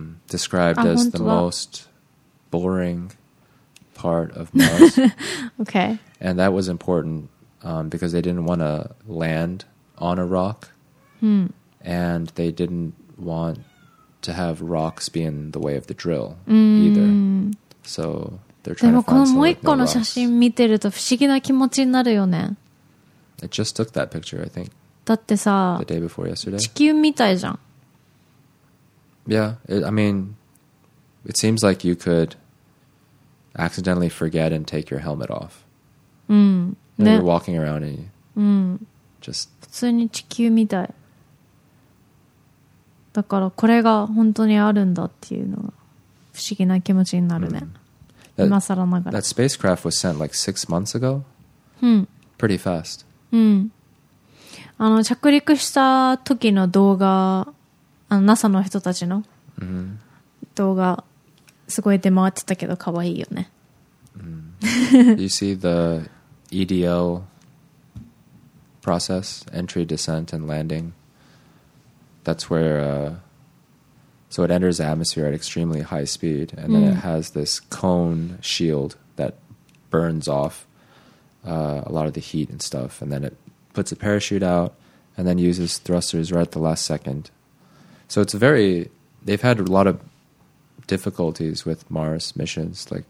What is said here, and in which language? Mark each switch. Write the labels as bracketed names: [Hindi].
[English] described as the most boring part of Mars. Okay. And that was important、because they didn't want to land on a rock、 hmm. and they didn't want to have rocks be in the way of the drill、 mm. either. So they're trying to find some more rocks. [Japanese] でもこのもう一個の写真見てると不思議な気持ちになるよね。 [English] It just took that picture, I think. [Japanese] だってさ、 [English] the day before yesterday. [Japanese] 地球みたいじゃん。 [English] Yeah, it seems like you could accidentally forget and take your helmet off. Mm. And、ね、you're walking around and you、 mm. just... [Japanese] 普通に地球みたい。だからこれが本当にあるんだっていうのが不思議な気持ちになるね。 Mm. That, 今更ながら。 [English] That spacecraft was sent like 6 months ago. Mm. Pretty fast. Mm. [Japanese] 着陸した時の動画NASA の人たちの動画すごい出回ってたけど可愛いよね、 mm-hmm. [English] You see the EDL process entry, descent and landing. That's where、so it enters the atmosphere at extremely high speed and then、mm-hmm. it has this cone shield that burns off、a lot of the heat and stuff and then it puts a parachute out and then uses thrusters right at the last secondSo it's very, they've had a lot of difficulties with Mars missions.